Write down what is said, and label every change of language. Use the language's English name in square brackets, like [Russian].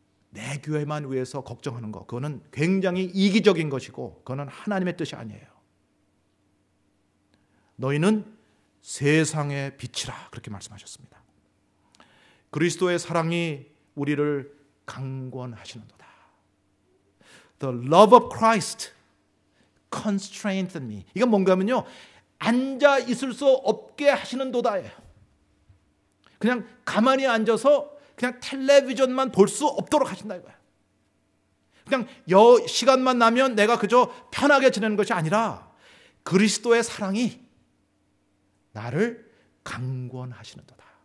[Korean] 내 교회만 위해서 걱정하는 거 그거는 굉장히 이기적인 것이고 그거는 하나님의 뜻이 아니에요. 너희는 세상의 빛이라 그렇게 말씀하셨습니다. 그리스도의 사랑이 우리를 강권하시는도다. [English] The love of Christ constrained me. [Korean] 이건 뭔가 하면요. 앉아 있을 수 없게 하시는도다예요. 그냥 가만히 앉아서 그냥 텔레비전만 볼 수 없도록 하신다 이거예요. 그냥 시간만 나면 내가 그저 편하게 지내는 것이 아니라 그리스도의 사랑이 나를 강권하시는도다.